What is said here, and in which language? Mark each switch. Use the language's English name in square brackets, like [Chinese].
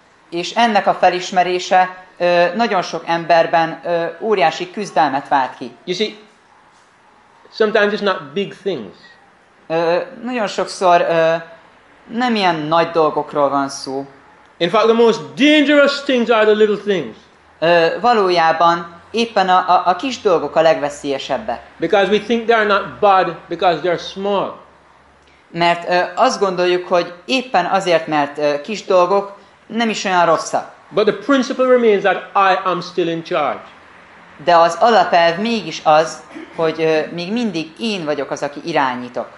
[Hungarian] És ennek a felismerése nagyon sok emberben óriási küzdelmet vált ki. [English] You see, sometimes it's not big things. [Hungarian] Nagyon sokszor nem ilyen nagy dolgokról van szó. [English] In fact, the most dangerous things are the little things. [Hungarian] Valójában éppen a kis dolgok a legveszélyesebbek. [English] Because we think they are not bad because they are small. [Hungarian] Mert azt gondoljuk, hogy éppen azért, mert kis dolgok, nem is olyan rosszak. [English] But the principle remains that I am still in charge. [Hungarian] De az alapelv mégis az, hogy még mindig én vagyok az, aki irányítok.